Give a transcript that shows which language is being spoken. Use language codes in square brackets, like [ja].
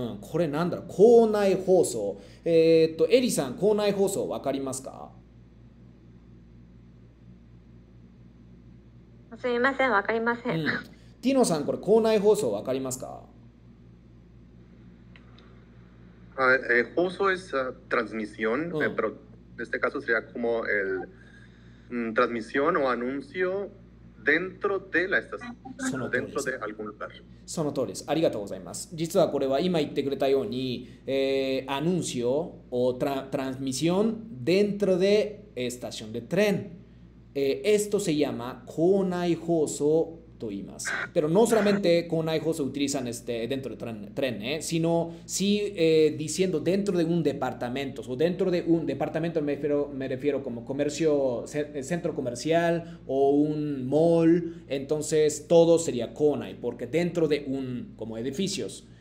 [ja] これ なんだろう Konai Hoso Eri-san Konai Hoso わかりますか? すみません、わかりません Tino-san これ Konai Hoso わかりますか? [es] Hoso es transmisión, pero en este caso sería como el transmisión o anuncio dentro de la estación, dentro de algún lugar. [ja] その通りです。ありがとうございます。実はこれは今言ってくれたように、 [es] anuncio o transmisión dentro de estación de tren. Esto se llama [ja] 校内放送と言います。 [es] Pero no solamente 校内放送 utilizan este dentro de tren, sino si diciendo dentro de un departamento, o dentro de un departamento me refiero como comercio, centro comercial o un mall, entonces todo sería 校内, porque dentro de un como edificios.